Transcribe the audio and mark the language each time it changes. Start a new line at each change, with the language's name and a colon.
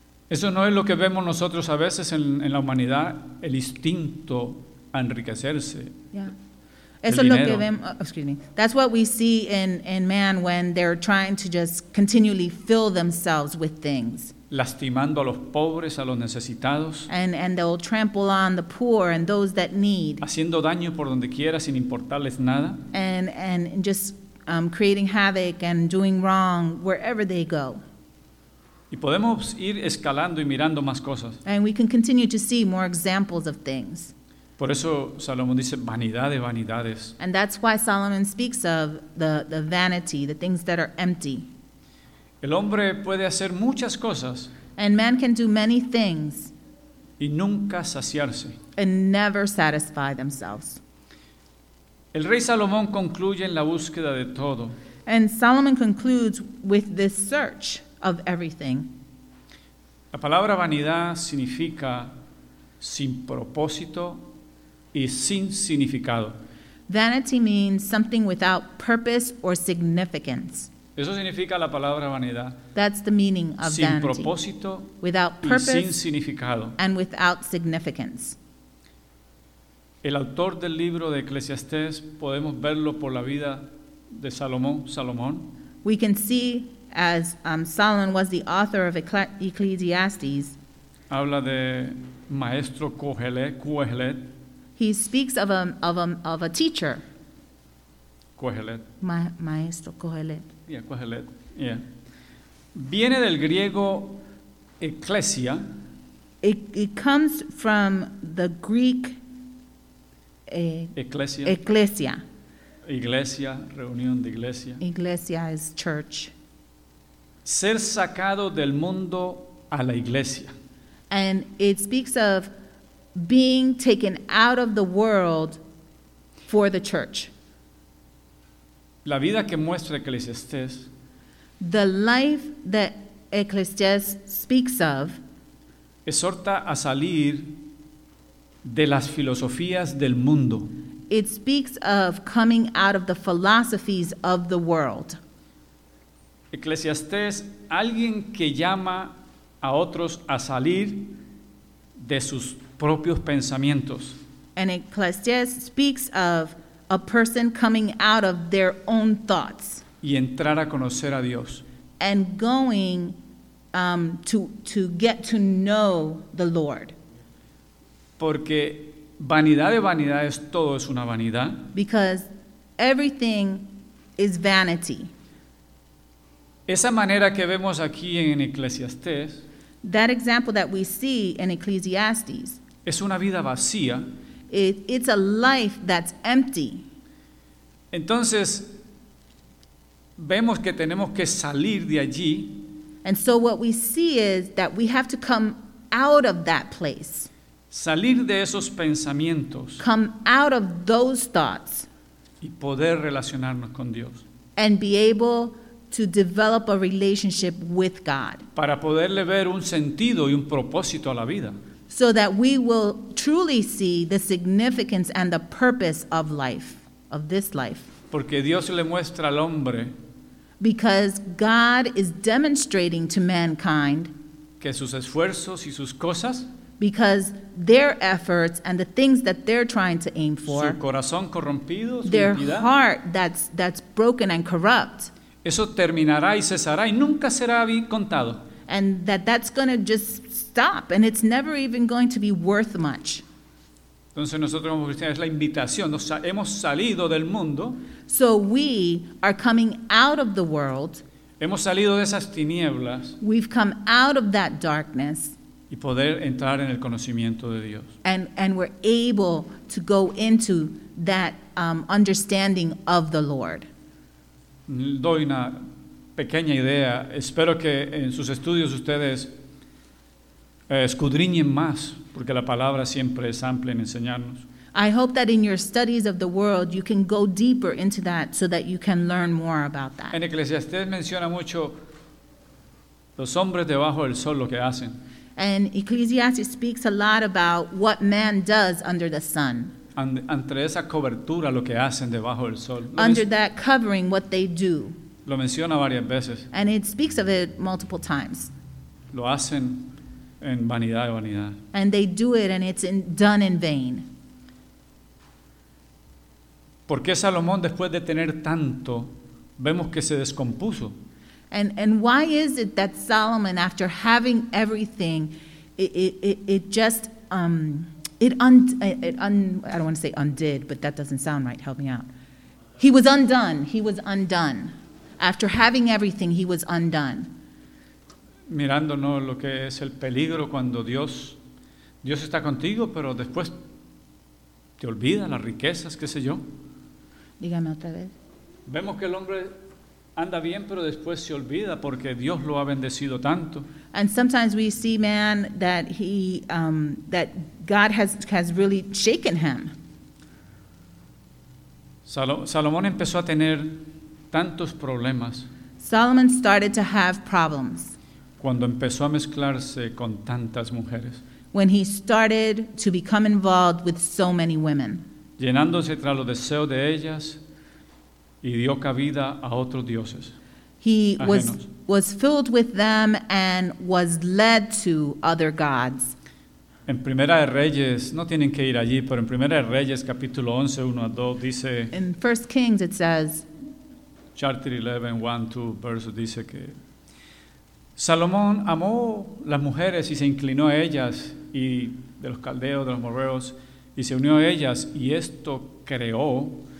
Spanish: Eso no es lo que vemos nosotros a veces en la humanidad, el instinto a enriquecerse. Yeah. Eso es lo que vemos,
English: excuse me. That's what we see in man when they're trying to just continually fill themselves with things.
Spanish: Lastimando a los pobres, a los necesitados.
English: And they'll trample on the poor and those that need.
Spanish: Haciendo daño por donde quiera sin importarles nada.
English: And just creating havoc and doing wrong wherever they go.
Spanish: Y podemos ir escalando y mirando más cosas.
English: And we can continue to see more examples of things.
Spanish: Por eso Salomón dice vanidades, vanidades.
English: And that's why Solomon speaks of the vanity, the things that are empty.
Spanish: El hombre puede hacer muchas cosas.
English: And man can do many things.
Spanish: Y nunca saciarse.
English: And never satisfy themselves.
Spanish: El rey Salomón concluye en la búsqueda de todo.
English: And Solomon concludes with this search. Of everything.
Spanish: La palabra vanidad significa sin propósito y sin significado.
English: Vanity means something without purpose or significance.
Spanish: Eso significa la palabra vanidad.
English: That's the meaning of
Spanish: sin
English: vanity.
Spanish: Sin propósito
English: without purpose
Spanish: y sin significado.
English: And without significance.
Spanish: El autor del libro de Eclesiastés podemos verlo por la vida de Salomón.
English: We can see as Solomon was the author of Ecclesiastes.
Spanish: Habla de maestro Qohelet.
English: He speaks of a teacher.
Spanish: Qohelet. Maestro Qohelet. Yeah, Qohelet. Yeah. Viene del griego eclesia.
English: It comes from the Greek eclesia. Eclesia.
Spanish: Iglesia, reunión de iglesia.
English: Iglesia is church.
Spanish: Ser sacado del mundo a la iglesia.
English: And it speaks of being taken out of the world for the church.
Spanish: La vida que muestra Eclesiastes.
English: The life that Eclesiastes speaks of.
Spanish: Exhorta a salir de las filosofías del mundo.
English: It speaks of coming out of the philosophies of the world.
Spanish: Eclesiastés, alguien que llama a otros a salir de sus propios pensamientos.
English: And Ecclesiastes speaks of a person coming out of their own thoughts.
Spanish: Y entrar a conocer a Dios.
English: And going to get to know the Lord.
Spanish: Porque vanidad de vanidades, todo es una vanidad.
English: Because everything is vanity.
Spanish: Esa manera que vemos aquí en Eclesiastés,
English: that example that we see in Ecclesiastes,
Spanish: es una vida vacía.
English: It's a life that's empty.
Spanish: Entonces, vemos que tenemos que salir de allí.
English: And so what we see is that we have to come out of that place.
Spanish: Salir de esos pensamientos.
English: Come out of those thoughts.
Spanish: Y poder relacionarnos con Dios.
English: And be able to develop a relationship with God.
Spanish: Para poderle ver un sentido y un propósito a la vida.
English: So that we will truly see the significance and the purpose of life, of this life.
Spanish: Porque Dios le muestra al hombre.
English: Because God is demonstrating to mankind.
Spanish: Que sus esfuerzos y sus cosas.
English: Because their efforts and the things that they're trying to aim for.
Spanish: Su corazón corrompido, su
English: their
Spanish: impiedad,
English: heart that's broken and corrupt.
Spanish: Eso terminará y cesará y nunca será bien contado.
English: And that's going to just stop and it's never even going to be worth much.
Spanish: Entonces nosotros como cristianos es la invitación, nos hemos salido del mundo.
English: So we are coming out of the world.
Spanish: Hemos salido de esas tinieblas.
English: We've come out of that darkness.
Spanish: Y poder entrar en el conocimiento de Dios.
English: And we're able to go into that understanding of the Lord.
Spanish: Doy una pequeña idea. Espero que en sus estudios ustedes escudriñen más, porque la palabra siempre es amplia en enseñarnos.
English: I hope that in your studies of the world you can go deeper into that so that you can learn more about that.
Spanish: En Eclesiastés menciona mucho los hombres debajo del sol lo que hacen.
English: And Ecclesiastes speaks a lot about what man does under the sun.
Spanish: Entre esa cobertura lo que hacen debajo del sol.
English: Under that covering what they do.
Spanish: Lo menciona varias veces.
English: And it speaks of it multiple times.
Spanish: Lo hacen en vanidad y vanidad.
English: And they do it and it's done in vain.
Spanish: ¿Por qué Salomón después de tener tanto vemos que se descompuso?
English: And why is it that Solomon, after having everything, He was undone. After having everything, he was undone.
Spanish: Mirándonos lo que es el peligro cuando Dios está contigo, pero después te olvida las riquezas, qué sé yo. Dígame otra vez. Vemos que el hombre anda bien, pero después se olvida porque Dios lo ha bendecido tanto.
English: And sometimes we see man that that God has really shaken him.
Spanish: Salomón empezó a tener tantos problemas.
English: Solomon started to have problems.
Spanish: Cuando empezó a mezclarse con tantas mujeres.
English: When he started to become involved with so many women.
Spanish: Llenándose tras los deseos de ellas. Y dio cabida a otros dioses.
English: He was filled with them and was led to other gods.
Spanish: En Primera de Reyes, no tienen que ir allí, pero en Primera de Reyes, capítulo 11, 1 a 2, dice.
English: In 1 Kings, it says. Chapter 11, 1, 2, verse,
Spanish: dice que. Salomón amó las mujeres y se inclinó a ellas, y de los caldeos, de los morreos, y se unió a ellas, y esto creó.